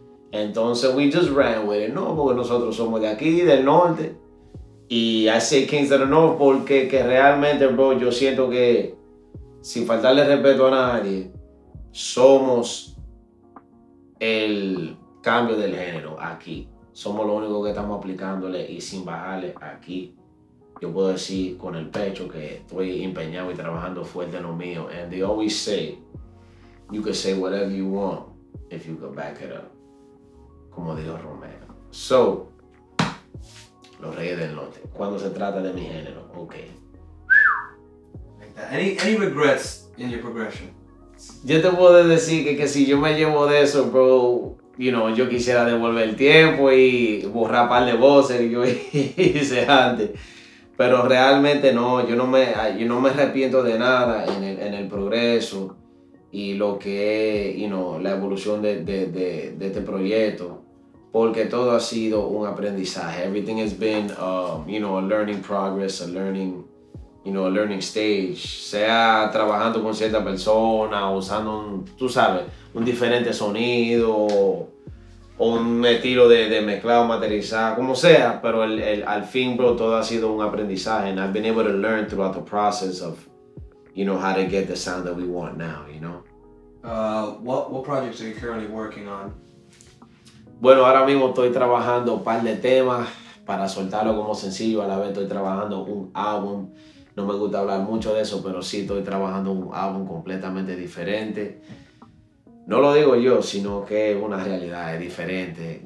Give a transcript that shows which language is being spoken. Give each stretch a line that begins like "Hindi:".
Spanish: Entonces we just ran with it, no, porque nosotros somos de aquí, del norte, y I say Kings of the North porque que realmente, bro, yo siento que sin faltarle respeto a nadie, somos el cambio del género aquí. Somos los únicos que estamos aplicándole y sin bajarle aquí. Yo puedo decir con el pecho que estoy empeñado y trabajando fuerte en lo mío.
English: And they always say, you can say whatever you want if you can back it up.
Spanish: Como dijo Romero. So, los reyes del norte. Cuando se trata de mi género, okay.
English: Like that. Any regrets in your progression?
Spanish: Yo te puedo decir que si yo me llevo de eso, bro, you know, yo quisiera devolver el tiempo y borrar un par de voces que yo hice antes. Pero realmente no, yo no me arrepiento de nada en el progreso y lo que es, you know, la evolución de este proyecto. Porque todo ha sido un aprendizaje.
English: Everything has been, you know, a learning progress, a learning, you know, a learning stage.
Spanish: Sea trabajando con cierta persona, usando un diferente sonido o un estilo de mezclado, materializado, como sea, pero al fin, bro, todo ha sido un aprendizaje.
English: And I've been able to learn throughout the process of, you know, how to get the sound that we want now, you know? What projects are you currently working on?
Spanish: Bueno, ahora mismo estoy trabajando un par de temas para soltarlo como sencillo. A la vez estoy trabajando un álbum. No me gusta hablar mucho de eso, pero sí estoy trabajando un álbum completamente diferente. No lo digo yo, sino que es una realidad, es diferente.